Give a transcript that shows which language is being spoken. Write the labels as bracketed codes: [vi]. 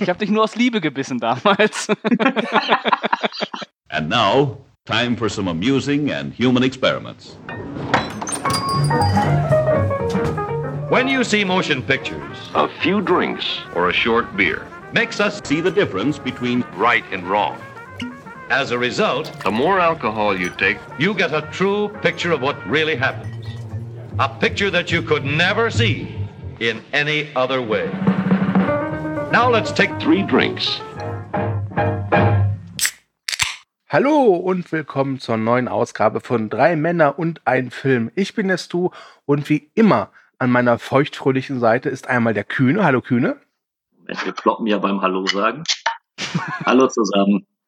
[de] Ich habe dich nur aus Liebe gebissen damals. [en] And now, time for some amusing and human experiments. When you see motion pictures, a few drinks or a short beer makes us see the difference between right and wrong. As a result, the more alcohol you take, you get a true picture of what really happens. A picture that you could never see in any other way. Now let's take three drinks. [de] Hallo und willkommen zur neuen Ausgabe von Drei Männer und ein Film. Ich bin der Stu und wie immer an meiner feuchtfröhlichen Seite ist einmal der Kühne. Hallo Kühne. Moment, wir kloppen ja beim Hallo sagen. Hallo zusammen.